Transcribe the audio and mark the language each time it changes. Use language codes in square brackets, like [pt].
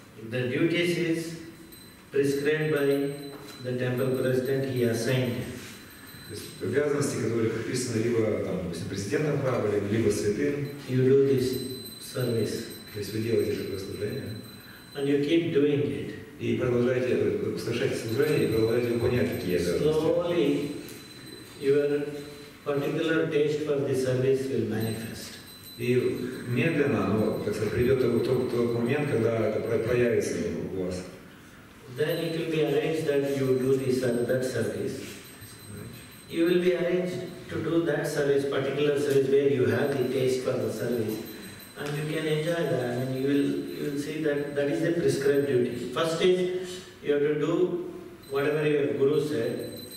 [en] The duties is prescribed by the temple president he assigned. [ru] Обязанности, которые прописаны либо там, допустим, президентом храма, либо святым. [en] You do this service. [ru] То есть вы делаете такое служение. [en] And you keep doing it. [ru] И продолжаете совершать служение и продолжаете выполнять такие обязанности. [en] Slowly your particular taste for the service will manifest. [ru] И медленно, но, так сказать, придет тот момент, когда это появится у вас. [en] Then it will be arranged that you do this or that service. You will be arranged to do that service, particular service, where you have the taste for the service. And you can enjoy that, and you will see that is the prescribed duty. First is, you have to do whatever your guru said.